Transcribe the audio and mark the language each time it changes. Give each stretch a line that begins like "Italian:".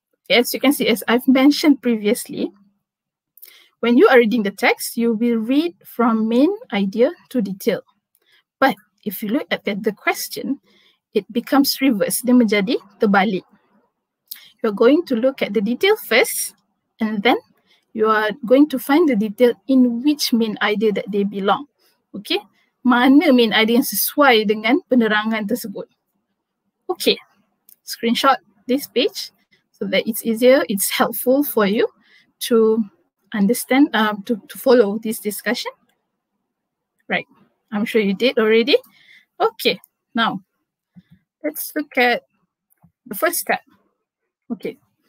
English: As you can see, as I've mentioned previously, when you are reading the text, you will read from main idea to detail. But if you look at the question, it becomes reverse.
Malay: Dia menjadi terbalik.
English: You're going to look at the detail first, and then you are going to find the detail in which main idea that they belong. Okay?
Malay: Mana main idea yang sesuai dengan penerangan tersebut.
English: Okay. Screenshot this page so that it's easier, it's helpful for you to understand, to follow this discussion. Right. I'm sure you did already. Okay. Now, let's look at the first step. Okay.